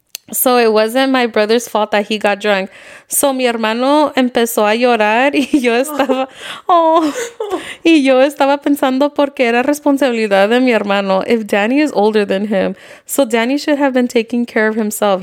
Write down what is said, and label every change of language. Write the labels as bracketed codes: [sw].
[en] So it wasn't my brother's fault that he got drunk. [es] So mi hermano empezó a llorar y yo estaba, y yo estaba pensando porque era responsabilidad de mi hermano. [en] If Danny is older than him, so Danny should have been taking care of himself.